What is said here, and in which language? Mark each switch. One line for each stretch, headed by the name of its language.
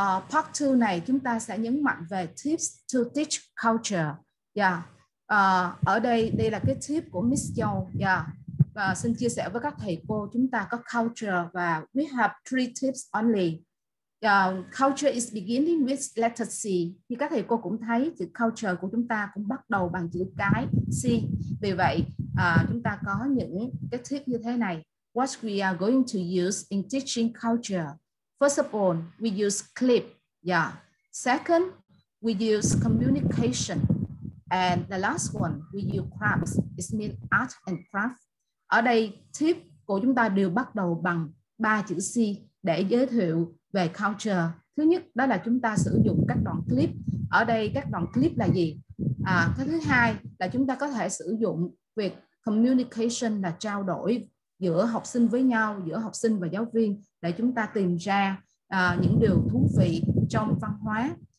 Vietnamese: Part 2 này chúng ta sẽ nhấn mạnh về
English: tips to teach culture.
Vietnamese: Ở đây là cái tip của Miss Joe. Và xin chia sẻ với các thầy cô, chúng ta có culture và
English: we have 3 tips only. Culture is beginning with letter C.
Vietnamese: Như các thầy cô cũng thấy, chữ culture của chúng ta cũng bắt đầu bằng chữ cái C. Vì vậy, chúng ta có những cái tip như thế này.
English: What we are going to use in teaching culture. First of all, we use clip. Second, we use communication. And the last one, we use crafts. It means art and craft.
Vietnamese: Ở đây, tip của chúng ta đều bắt đầu bằng 3 chữ C để giới thiệu về culture. Thứ nhất đó là chúng ta sử dụng các đoạn clip. Ở đây các đoạn clip là gì? Cái thứ hai là chúng ta có thể sử dụng việc communication, là trao đổi giữa học sinh với nhau, giữa học sinh và giáo viên, để chúng ta tìm ra những điều thú vị trong văn hóa.